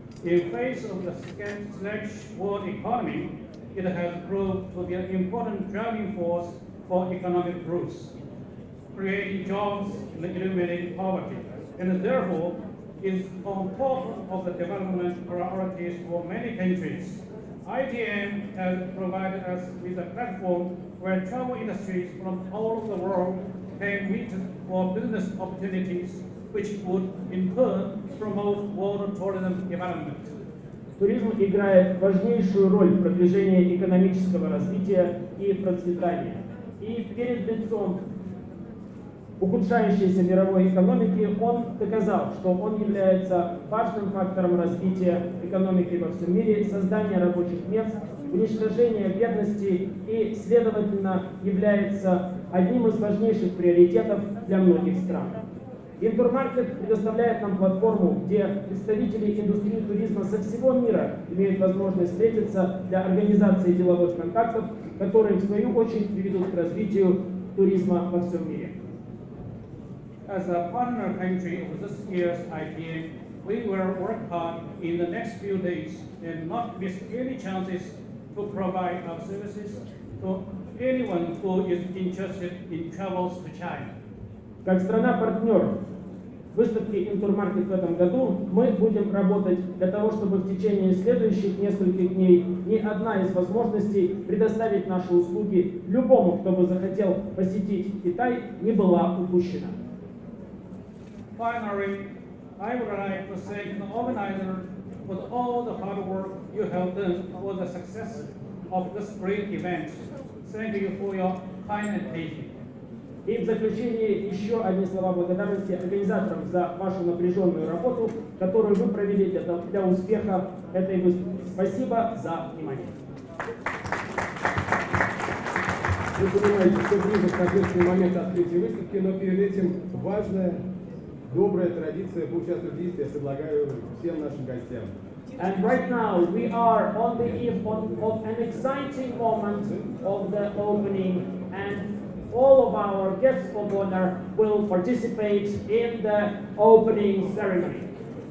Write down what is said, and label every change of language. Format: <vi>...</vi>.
<en>In face of the sluggish world economy, it has proved to be an important driving force for economic growth, creating jobs and eliminating poverty, and therefore is on top of the development priorities for many countries. IGN has provided us with a platform where travel industries from all over the world can meet for business opportunities, which would in turn promote world tourism development.</en> <ru>Туризм играет важнейшую роль в продвижении экономического развития и процветания. И перед лицом ухудшающейся мировой экономики он доказал, что он является важным фактором развития экономики во всем мире, создания рабочих мест, уничтожения бедности и, следовательно, является одним из важнейших приоритетов для многих стран. Интурмаркет предоставляет нам платформу, где представители индустрии туризма со всего мира имеют возможность встретиться для организации деловых контактов, которые, в свою очередь, приведут к развитию туризма во всем мире.</ru> <en>As a partner country of this year's IGN, we will work hard in the next few days and not miss any chances to provide our services to anyone who is interested in travels to China.</en> <ru>Как страна-партнер выставки Intermarket в этом году, мы будем работать для того, чтобы в течение следующих нескольких дней ни одна из возможностей предоставить наши услуги любому, кто бы захотел посетить Китай, не была упущена.</ru> <en>Finally, I would like to thank the organizer for all the hard work you have done for the success of this great event. Thank you for your kind attention.</en> <ru>И в заключение еще одни слова благодарности организаторам за вашу напряженную работу, которую вы провели для успеха этой выставки. Спасибо за внимание. Вы понимаете, все ближе к ответственному моменту открытия выставки, но перед этим важная, добрая традиция поучаствовать в действии я предлагаю всем нашим гостям.</ru> <en>And right now we are on the eve of an exciting moment of the opening and all of our guests of honor will participate in the opening ceremony.</en>